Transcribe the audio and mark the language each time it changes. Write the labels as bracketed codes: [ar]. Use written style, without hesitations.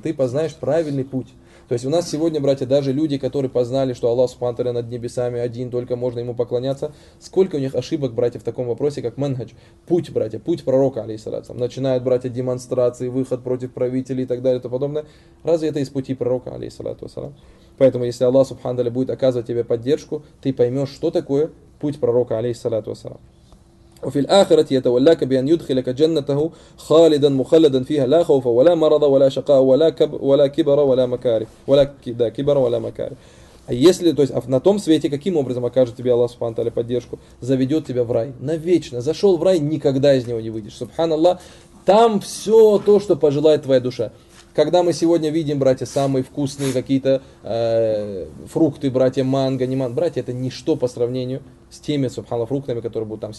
[ru] Ты познаешь правильный путь. То есть у нас сегодня, братья, даже люди, которые познали, что Аллах субхана таля над небесами один, только можно ему поклоняться, сколько у них ошибок, братья, в таком вопросе, как манхадж, путь, братья, путь пророка, алейхиссалям. Начинают, братья, демонстрации, выход против правителей и так далее и тому подобное. Разве это из пути пророка, алейхиссалям? Поэтому, если Аллах субхана таля будет оказывать тебе поддержку, ты поймешь, что такое путь пророка, алейхиссалям. [ar] وفي الآخرة يتولاك بأن يدخلك جنته خالدا مخلدا فيها لا خوف ولا مرض ولا شقاء ولا كب ولا كبر ولا مكاره ولا كذا كبر ولا مكاره. [ru] А если, то есть, на том свете каким образом окажет тебе Аллах субхана таля поддержку, заведет тебя в рай навечно. Зашел в рай, никогда из него не выйдешь. Субханаллах, там все то, что пожелает твоя душа. Когда мы сегодня видим, братья, самые вкусные какие-то фрукты, братья, манго, не манго, братья, это ничто по сравнению с теми, субханаллах, фруктами, которые будут там.